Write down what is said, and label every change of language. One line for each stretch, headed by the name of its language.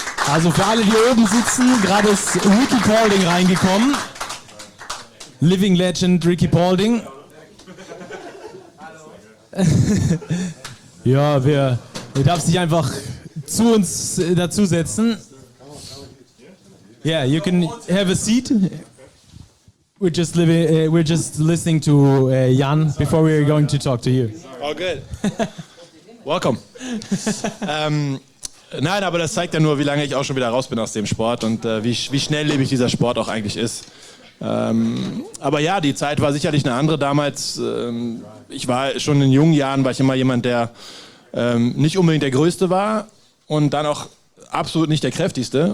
German: also für alle, die oben sitzen, gerade ist Ricky Paulding reingekommen.
English: Living Legend Ricky Paulding.
German: Ja, wir darfst dich einfach zu uns dazusetzen.
English: Yeah, you can have a seat. We're just listening to Jan before we're going to talk to you. All good. Welcome.
German: Nein, aber das zeigt ja nur, wie lange ich auch schon wieder raus bin aus dem Sport und wie schnelllebig dieser Sport auch eigentlich ist. Aber ja, die Zeit war sicherlich eine andere damals. Ich war schon in jungen Jahren, war ich immer jemand, der nicht unbedingt der Größte war und dann auch absolut nicht der Kräftigste.